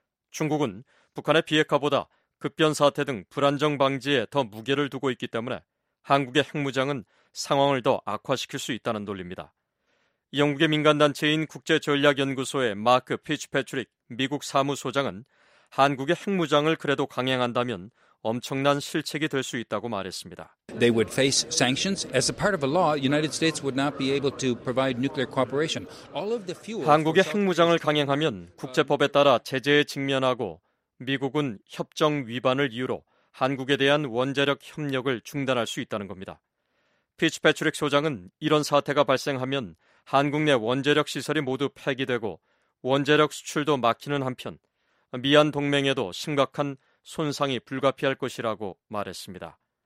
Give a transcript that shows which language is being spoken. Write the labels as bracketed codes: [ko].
[ko] 중국은 북한의 비핵화보다 급변사태 등 불안정 방지에 더 무게를 두고 있기 때문에 한국의 핵무장은 상황을 더 악화시킬 수 있다는 논리입니다. 영국의 민간단체인 국제전략연구소의 마크 피츠패트릭 미국 사무소장은 한국의 핵무장을 그래도 강행한다면 엄청난 실책이 될 수 있다고 말했습니다. [en] They would face sanctions as a part of a law. United States would not be able to provide nuclear cooperation. All of the fuel. [ko] 한국의 핵무장을 강행하면 국제법에 따라 제재에 직면하고 미국은 협정 위반을 이유로 한국에 대한 원자력 협력을 중단할 수 있다는 겁니다. 피츠패트릭 소장은 이런 사태가 발생하면 한국 내 원자력 시설이 모두 폐기되고 원자력 수출도 막히는 한편 미한 동맹에도 심각한 손상이 불가피할 것이라고 말했습니다.